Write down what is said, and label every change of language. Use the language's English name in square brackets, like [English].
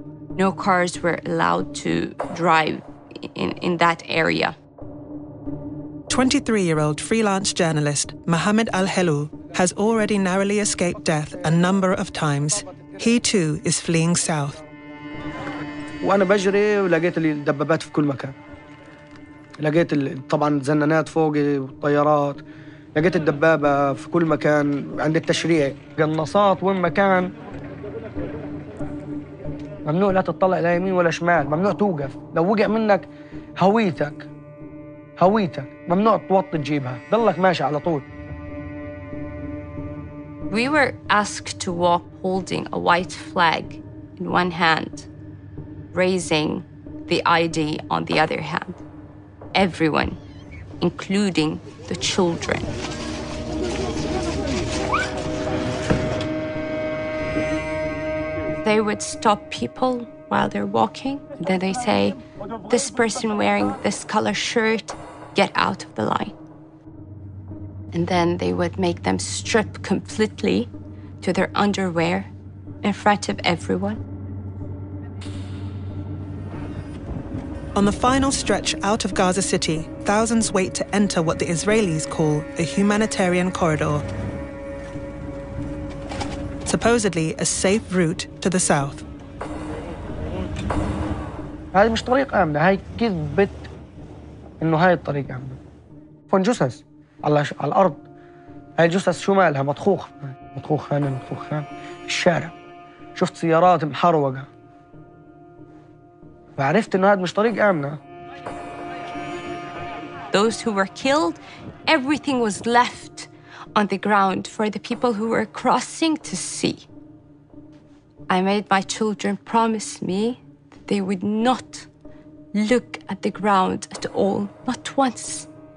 [English] No cars were allowed to drive in that area. 23-year-old freelance journalist Mohamed Al-Helou has already narrowly escaped death a number of times. He too is fleeing south. [Arabic] وانا بجري ولقيت الدبابات في كل مكان. لقيت طبعا زنانات فوقي والطيارات. لقيت الدبابة في كل مكان عند التشريع. قناصات وين مكان. ممنوع لا تطلع لا يمين ولا شمال. ممنوع توقف. لو وقع منك هويتك. هويتك ممنوع توطي تجيبها ضلك ماشي على طول. [English] We were asked to walk holding a white flag in one hand, raising the ID on the other hand. Everyone, including the children. They would stop people while they're walking. Then they say, this person wearing this color shirt, get out of the line. And then they would make them strip completely to their underwear in front of everyone. On the final stretch out of Gaza City, thousands wait to enter what the Israelis call a humanitarian corridor, supposedly a safe route to the south. [Arabic] هذه مش طريق آمنة، هاي كذبة إنه هاي الطريق آمنة. فون جثث على الأرض. هاي الجثث شو مالها؟ مطخوخ. مطخوخ هنا، مطخوخ هنا. الشارع. شفت سيارات محروقة. فعرفت إنه هذا مش طريق آمنة. [English] Those who were killed, everything was left on the ground for the people who were crossing to see. I made my children promise me they would not look at the ground at all, not once.